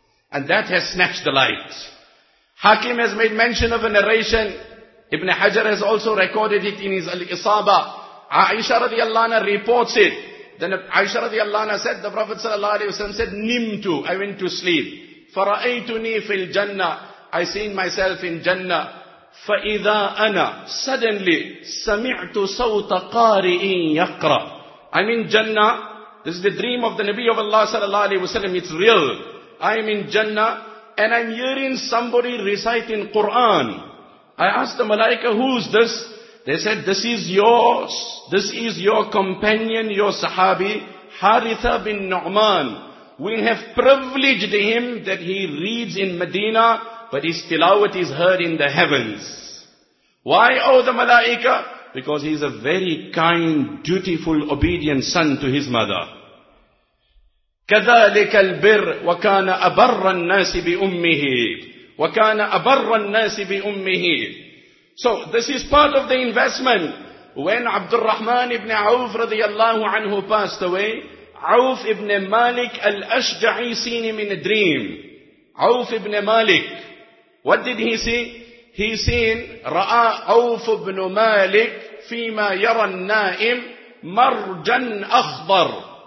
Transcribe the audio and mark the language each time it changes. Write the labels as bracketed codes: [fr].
[en] And that has snatched the light. Hakim has made mention of a narration. Ibn Hajar has also recorded it in his Al-Isaba. Aisha radiallahu anha reports it. Then Aisha radiallahu anha said, the Prophet sallallahu alayhi wa sallam said, Nimtu, I went to sleep. [ar] Fara'aytuni fil Jannah, [en] I seen myself in Jannah. [ar] فَإِذَا أَنَا [en] suddenly [ar] سَمِعْتُ صَوْتَ قَارِئٍ يَقْرَى. [en] I'm in Jannah. This is the dream of the Nabi of Allah sallallahu alayhi wa sallam. It's real. I'm in Jannah and I'm hearing somebody reciting Quran. I asked the Malaika, who's this? They said, this is your companion, your Sahabi, Haritha bin Nu'man. We have privileged him that he reads in Medina, but his tilawat is heard in the heavens. Why, oh the Malaika? Because he is a very kind, dutiful, obedient son to his mother. [ar] كَذَلِكَ الْبِرُّ وَكَانَ أَبَرَّ النَّاسِ بِأُمِّهِ وَكَانَ أَبَرَّ النَّاسِ بِأُمِّهِ. [en] So this is part of the investment. When Abdul Rahman ibn Auf radiallahu anhu passed away, Auf ibn Malik al-Ashja'i seen him in a dream. Auf ibn Malik. What did he see? He seen, [ar] رَأَى عَوْفُ بْنُ مَالِكِ فِي مَا يَرَى النَّائِمِ مَرْجًا أَخْضَرٌ.